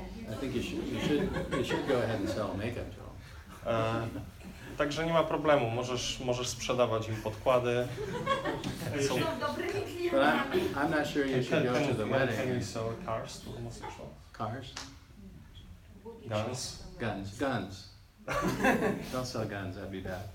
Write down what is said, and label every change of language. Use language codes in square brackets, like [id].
[en] I think you should go ahead and sell makeup to them. [pl] Także nie ma problemu, możesz sprzedawać im podkłady. Są dobrymi klientami. [en] I'm not sure you should go to the wedding. Can you sell cars to homosexuals? Cars? Guns? Guns. Don't sell guns, that'd be bad.